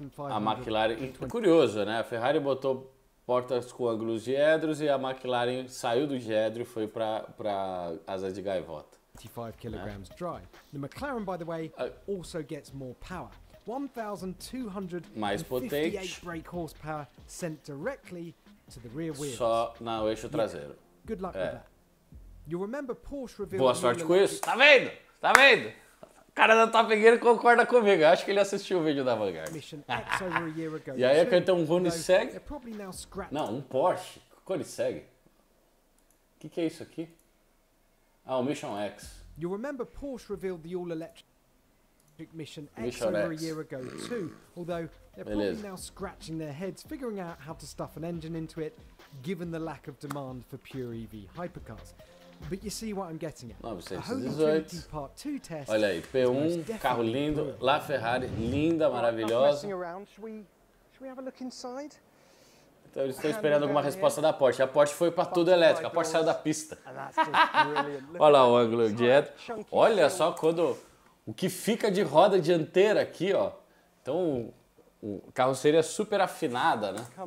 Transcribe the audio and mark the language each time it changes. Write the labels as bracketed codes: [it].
[pt] A McLaren, curioso, né? A Ferrari botou portas com ângulos de edros e a McLaren saiu do diedro e foi para asa de gaivota. [en] 25 kg drive. The McLaren, by the way, also gets more power. 1258 brake horsepower sent directly to the rear wheel. [pt] Só no eixo traseiro. [en] Good luck with that. You remember Porsche revealed. [pt] Boa sorte com isso. Tá vendo? Tá vendo? O cara da Top Gear concorda comigo. Acho que ele assistiu o vídeo da Vanguard. E aí, eu cantei um Koenigsegg. Não, um Porsche. Koenigsegg. Que é isso aqui? Ah, o Mission X. [en] You remember Porsche revealed the all-electric Mission X over a year ago, too. Although, they're probably now scratching their heads, figuring out how to stuff an engine into it, given the lack of demand for pure EV hypercars. But you see what I'm getting at. [pt] 918. Olha aí, P1, carro lindo, La Ferrari, linda, maravilhosa. [en] Should we have a look inside? [pt] Então eles estão esperando alguma resposta da Porsche. A Porsche foi para tudo elétrico, a Porsche saiu da pista. Olha lá o ângulo de reto. Olha só quando o que fica de roda dianteira aqui, ó. Então o carroceria super afinada, né?